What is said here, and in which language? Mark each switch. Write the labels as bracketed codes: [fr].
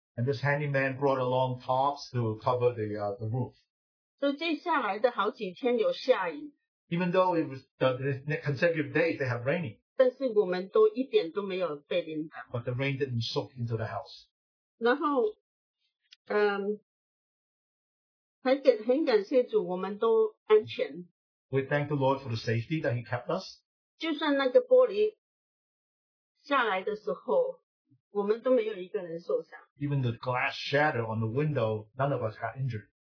[en] And this handyman brought along tarps to cover the roof. [zh] 所以接下来的好几天有下雨。 [en] Even though it was the consecutive days, they have raining. [zh] 但是我们都一点都没有被淋到。 [en] But the rain didn't soak into the house. [zh] 然后, 很感谢主,我们都安全。 [en] We thank the Lord for the safety that He kept us. [zh] 就算那个玻璃下来的时候, 我们都没有一个人受伤。 [en] Even the glass shattered on the window, none of us got injured.